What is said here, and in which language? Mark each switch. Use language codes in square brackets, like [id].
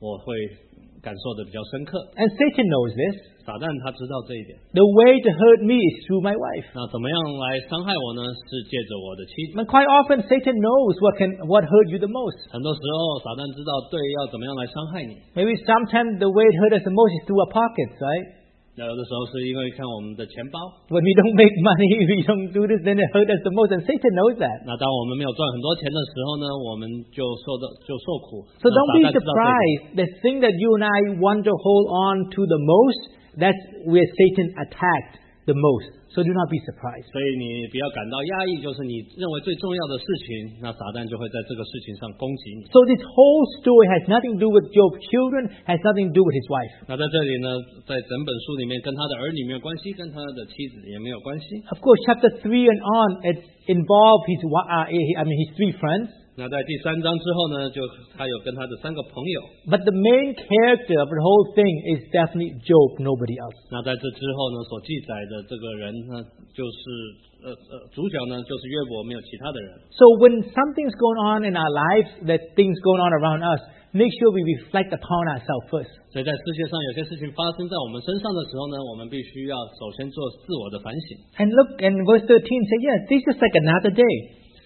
[zh] 那有的时候因为我在这身受苦已经很多了，我的感觉是说，对我来说已经没有什么让我再更苦的，但是如果发生在我的妻子身上呢，我会感受得比较深刻。 [en] And Satan knows this. [zh] 撒旦他知道这一点。 [en] The way to hurt me is through my wife. [zh] 那怎么样来伤害我呢？是借着我的妻子。 [en] And quite often Satan knows what hurt you the most. [zh] 很多时候撒旦知道对要怎么样来伤害你。 [en] Maybe sometimes the way it hurt us the most is through our pockets, right? [zh] 有的时候是因为看我们的钱包。 [en] When we don't make money, we don't do this, then it hurts us the most, and Satan knows that. [zh] 那当我们没有赚很多钱的时候呢，我们就受苦。 [en] So don't be surprised. The thing that you and I want to hold on to the most, that's where Satan attacked the most. So do not be surprised. [zh] 所以你不要感到压抑, 就是你认为最重要的事情, 那撒旦就会在这个事情上攻击你。 [en] So this whole story has nothing to do with Job's children, has nothing to do with his wife. [zh] 那在这里呢, 在整本书里面, 跟他的儿女没有关系, 跟他的妻子也没有关系。 [en] Of course, chapter 3 and on, it involved his three friends. [zh] 那在第三章之后呢, 就他有跟他的三个朋友。 [en] But the main character of the whole thing is definitely Job, nobody else. [zh] 那在这之后呢, 所记载的这个人呢, 就是, 主角呢, 就是约伯, 没有其他的人。 [en] So when something's going on in our lives, that things going on around us, make sure we reflect upon ourselves first. [zh] 所以在世界上有些事情发生在我们身上的时候呢, 我们必须要首先做自我的反省。 [en] And look in verse 13, say, yeah, this is just like another day.